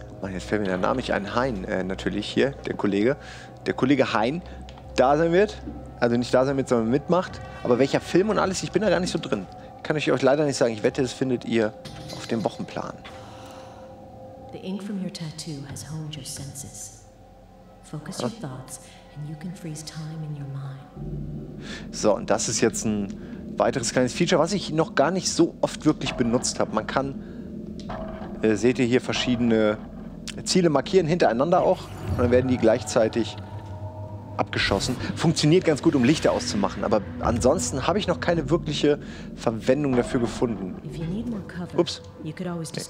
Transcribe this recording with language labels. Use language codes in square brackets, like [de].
[de] Jetzt fällt mir der Name nicht ein. Hein, natürlich hier, der Kollege. Der Kollege Hein da sein wird. Also nicht da sein wird, sondern mitmacht. Aber welcher Film und alles, ich bin da gar nicht so drin. Kann ich euch leider nicht sagen. Ich wette, das findet ihr auf dem Wochenplan. [en] The ink from your tattoo has honed your senses. Focus your thoughts and you can freeze time in your mind. [de] So, und das ist jetzt ein weiteres kleines Feature, was ich noch gar nicht so oft wirklich benutzt habe. Man kann, seht ihr hier, verschiedene Ziele markieren, hintereinander auch, und dann werden die gleichzeitig abgeschossen. Funktioniert ganz gut, um Lichter auszumachen, aber ansonsten habe ich noch keine wirkliche Verwendung dafür gefunden. Ups. Okay.